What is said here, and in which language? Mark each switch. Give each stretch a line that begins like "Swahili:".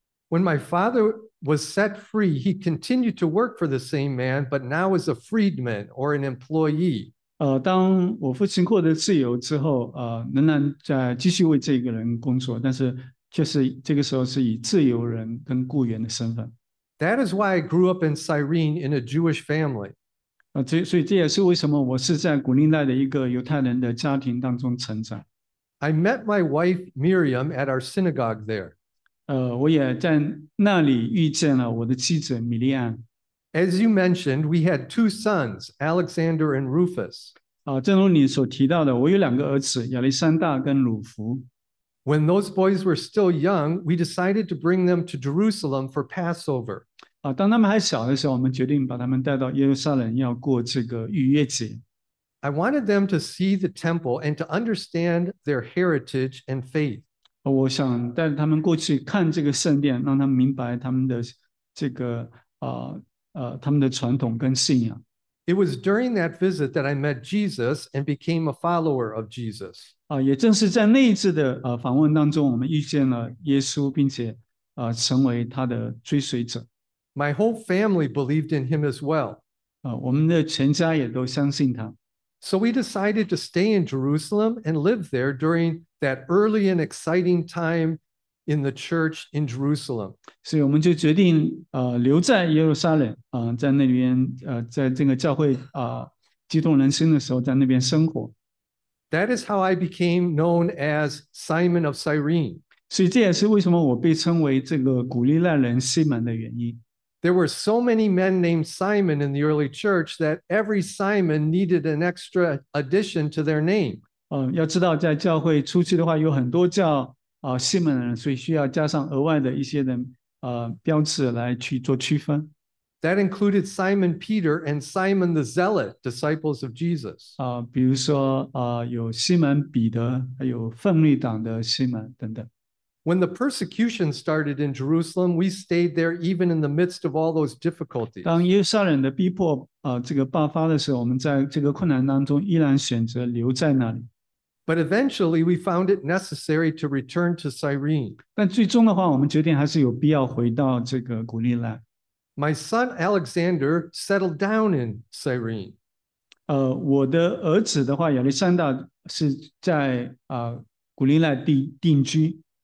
English: When my father was set free, he continued to work for the same man, but now as a freedman or an employee.
Chinese: 当我父亲获得自由之后，仍然在继续为这个人工作，但是却是这个时候是以自由人跟雇员的身份。
English: That is why I grew up in Cyrene in a Jewish family.
Chinese: 所以这也是为什么我是在古尼奈的一个犹太人的家庭当中成长。
English: I met my wife Miriam at our synagogue there.
Chinese: 我也在那里遇见了我的妻子米莉安。
English: As you mentioned, we had two sons, Alexander and Rufus.
Chinese: 正如你所提到的，我有两个儿子，亚历山大跟鲁弗。
English: When those boys were still young, we decided to bring them to Jerusalem for Passover.
Chinese: 当他们还小的时候，我们决定把他们带到耶路撒冷要过这个逾越节。
English: I wanted them to see the temple and to understand their heritage and faith.
Chinese: 我想带他们过去看这个圣殿，让他们明白他们的这个他们的传统跟信仰。
English: It was during that visit that I met Jesus and became a follower of Jesus.
Chinese: 也正是在那一次的访问当中，我们遇见了耶稣，并且成为他的追随者。
English: My whole family believed in him as well.
Chinese: 我们的全家也都相信他。
English: So we decided to stay in Jerusalem and live there during that early and exciting time in the church in Jerusalem.
Chinese: 所以我们就决定留在耶路撒冷，在那边在这个教会激动人心的时候在那边生活。
English: That is how I became known as Simon of Cyrene.
Chinese: 所以这也是为什么我被称为这个古利奈人西门的原因。
English: There were so many men named Simon in the early church that every Simon needed an extra addition to their name.
Chinese: 要知道在教会初期的话有很多叫西门人，所以需要加上额外的一些的标志来去做区分。
English: That included Simon Peter and Simon the Zealot, disciples of Jesus.
Chinese: 比如说有西门彼得，还有奋力党的西门等等。
English: When the persecution started in Jerusalem, we stayed there even in the midst of all those difficulties.
Chinese: 当耶路撒冷的逼迫这个爆发的时候，我们在这个困难当中依然选择留在那里。
English: But eventually, we found it necessary to return to Cyrene.
Chinese: 但最终的话，我们决定还是有必要回到这个古利奈。
English: My son Alexander settled down in Cyrene.
Chinese: 我的儿子的话，亚历山大是在古利奈定居。